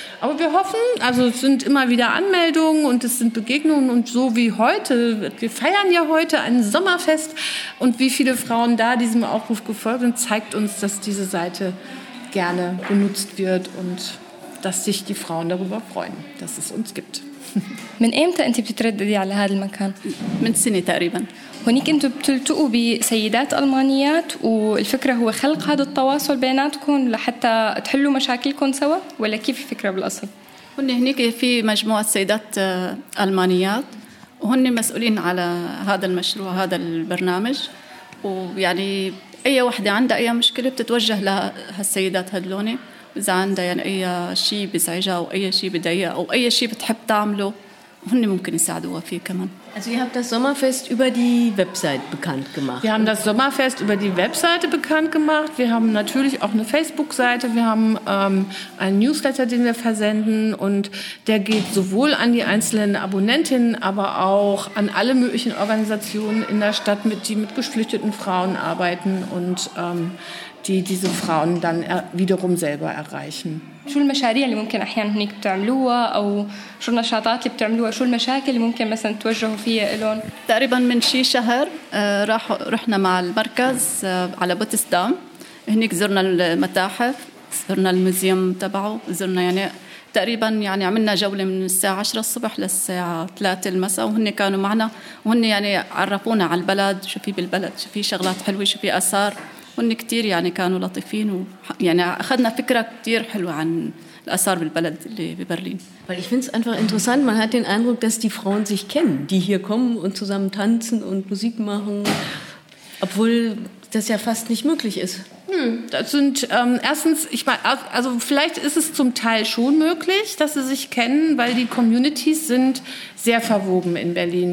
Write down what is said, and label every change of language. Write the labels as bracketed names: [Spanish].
[German] Aber wir hoffen, also es sind immer wieder Anmeldungen und es sind Begegnungen und so wie heute, wir feiern ja heute ein Sommerfest und wie viele Frauen da diesem Aufruf gefolgt sind, zeigt uns, dass diese Seite gerne genutzt wird und dass sich die Frauen darüber freuen, dass es uns gibt. [Arabic] من امتى انت بتترددي على هذا المكان؟ من سنة تقريبا. هناك انتوا بتلتقوا بسيدات المانيات والفكره هو خلق هذا التواصل بيناتكم لحتى تحلوا مشاكلكم سوا ولا كيف الفكره بالاصل؟ هن هناك في مجموعه سيدات المانيات وهن مسؤولين على هذا المشروع هذا البرنامج ويعني اي وحده عندها اي مشكله بتتوجه لهالسيدات هذولن اذا عندها يعني اي شيء بزعجها او اي شيء بضايقها او اي شيء بتحب تعمله هن ممكن يساعدوها فيه كمان. [German] Also ihr habt das Sommerfest über die Website bekannt gemacht. Wir haben das Sommerfest über die Website bekannt gemacht. Wir haben natürlich auch eine Facebook-Seite. Wir haben einen Newsletter, den wir versenden. Und der geht sowohl an die einzelnen Abonnentinnen, aber auch an alle möglichen Organisationen in der Stadt, die mit geflüchteten Frauen arbeiten und die diese Frauen dann wiederum selber erreichen. [Arabic] شو المشاريع اللي ممكن أحيانا هنيك بتعملوها أو شو النشاطات اللي بتعملوها شو المشاكل اللي ممكن مثلا توجهوا فيها إلون تقريبا من شي شهر رحنا مع المركز على بوتسدام هنيك زرنا المتاحف زرنا الموزيوم تبعه زرنا يعني تقريبا يعني عملنا جولة من الساعة 10 الصبح للساعة 3 المساء وهن كانوا معنا وهن يعني عرفونا على البلد شو في بالبلد شو في شغلات حلوة شو في أثار هن كتير يعني كانوا لطيفين ويعني أخذنا فكرة كتير حلوة عن الآثار بالبلد اللي ببرلين. [German] Weil ich finde es einfach interessant. Man hat den Eindruck, dass die Frauen sich kennen, die hier kommen und zusammen tanzen und Musik machen, obwohl das ja fast nicht möglich ist. Das sind erstens, ich meine, also vielleicht ist es zum Teil schon möglich, dass sie sich kennen, weil die Communities sind sehr verwoben in Berlin.